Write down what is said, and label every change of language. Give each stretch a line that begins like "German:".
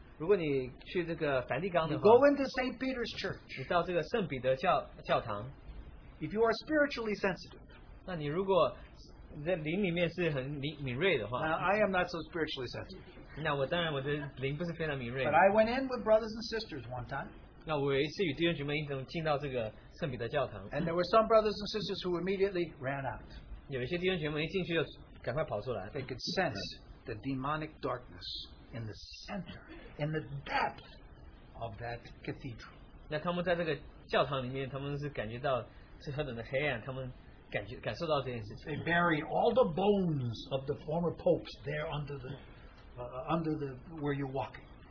Chinese: 如果你去这个梵蒂冈的话,
English: you go into St. Peter's Church,
Chinese: 你到这个圣彼得教堂,
English: if you are spiritually sensitive,
Chinese: 那你如果在灵里面是很敏锐的话,
English: now, I am not so spiritually sensitive.
Chinese: 那我当然我的灵不是非常敏锐,
English: but I went in with brothers and sisters one time.
Chinese: 那我有一次与弟兄姐妹一同进到这个圣彼得教堂,
English: and there were some brothers and sisters who immediately ran out.
Chinese: 有一些弟兄姐妹一进去就赶快跑出来,
English: they could sense the demonic darkness in the center, in the depth of that cathedral.
Chinese: 那他们在这个教堂里面, 他们是感觉到是何等的黑暗, 他们感受到这件事情。
English: They buried all the bones of the former popes there under the where you're walking.